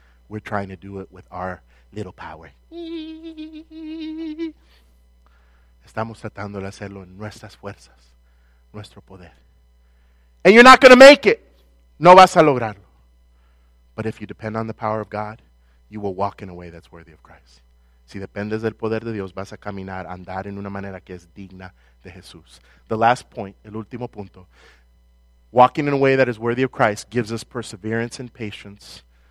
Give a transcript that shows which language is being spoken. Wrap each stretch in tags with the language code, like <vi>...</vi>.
<en>We're trying to do it with our little power.</en> <es>Estamos tratando de hacerlo en nuestras fuerzas, nuestro poder.</es> <en>And you're not going to make it.</en> <es>No vas a lograrlo.</es> <en>But if you depend on the power of God, you will walk in a way that's worthy of Christ.</en> <es>Si dependes del poder de Dios, vas a caminar, andar en una manera que es digna de Jesús.</es> <en>The last point,</en> <es>el último punto.</es> <en>Walking in a way that is worthy of Christ gives us perseverance and patience.</en>